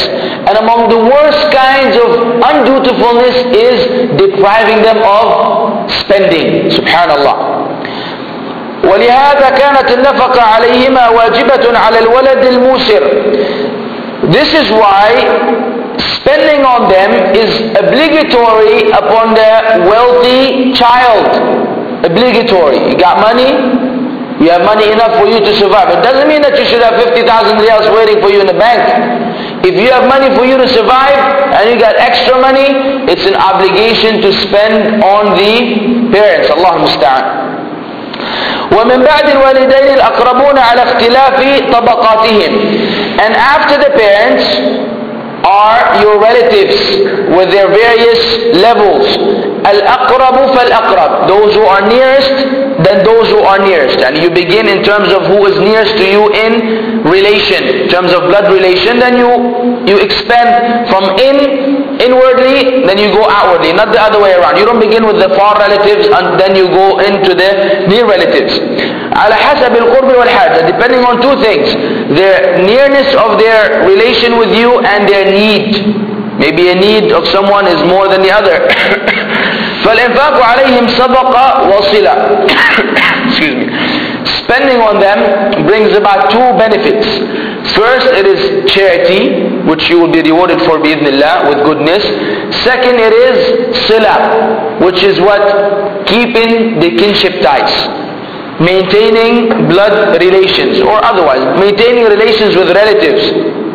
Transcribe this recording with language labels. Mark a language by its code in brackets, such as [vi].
[en] And among the worst kinds of undutifulness is depriving them of spending. Subhanallah. [ar] ولهذا كانت النفقة عليهما واجبة على الولد الموسر. [en] This is why spending on them is obligatory upon the wealthy child. Obligatory. You got money? You have money enough for you to survive. It doesn't mean that you should have 50,000 riyals waiting for you in the bank. If you have money for you to survive and you got extra money, it's an obligation to spend on the parents. Allahu musta'an. [ar] ومن بعد الوالدين الأقربون على اختلاف طبقاتهم. [en] And after the parents are your relatives with their various levels. [ar] الأقرب فالأقرب. [en] Those who are nearest than those who are nearest. And you begin in terms of who is nearest to you in relation, in terms of blood relation, then you expand from inwardly, then you go outwardly, not the other way around. You don't begin with the far relatives and then you go into the near relatives. [ar] على حسب القرب والحاجة, [en] depending on two things, the nearness of their relation with you and their need. Maybe a need of someone is more than the other. [ar] فَالْإِنْفَاقُ عَلَيْهِمْ سَبَقَ وَصِلَ [en] Excuse me. Spending on them brings about two benefits. First, it is charity, which you will be rewarded for bi-idhnillah, with goodness. Second, it is sila, which is what? Keeping the kinship ties. Maintaining blood relations, or otherwise, maintaining relations with relatives.